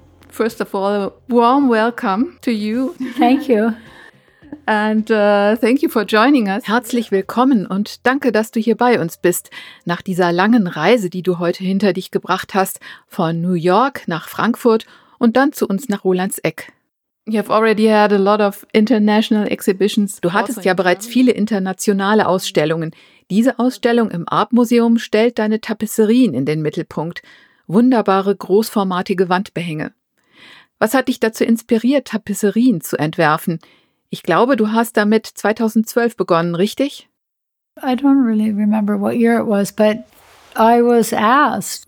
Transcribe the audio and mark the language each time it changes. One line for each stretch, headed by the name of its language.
English: First of all, a warm welcome to you. Thank you. And thank you for joining us.
German: Herzlich willkommen und danke, dass du hier bei uns bist. Nach dieser langen Reise, die du heute hinter dich gebracht hast, von New York nach Frankfurt und dann zu uns nach Rolandseck.
English: You have already had a lot of international exhibitions.
German: Du hattest ja bereits viele internationale Ausstellungen. Diese Ausstellung im ARP-Museum stellt deine Tapisserien in den Mittelpunkt. Wunderbare, großformatige Wandbehänge. Was hat dich dazu inspiriert, Tapisserien zu entwerfen? Ich glaube, du hast damit 2012 begonnen, richtig?
English: I don't really remember what year it was, but I was asked.